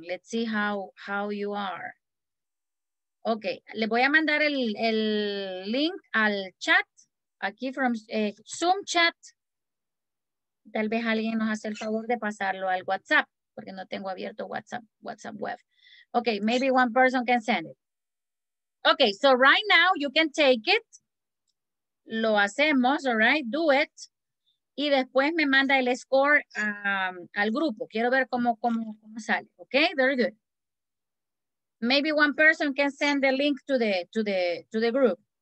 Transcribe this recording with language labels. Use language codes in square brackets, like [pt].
[es] Let's see how you are. Okay, le voy a mandar el link al chat. [en] Aquí from Zoom chat. [es] Tal vez alguien nos hace el favor de pasarlo al WhatsApp, porque no tengo abierto WhatsApp web. [en] Okay, maybe one person can send it. Okay, so right now you can take it. Lo hacemos, all right? Do it. [es] Y después me manda el score al grupo. Quiero ver cómo sale. Okay, very good. [en] Maybe one person can send the link to the group.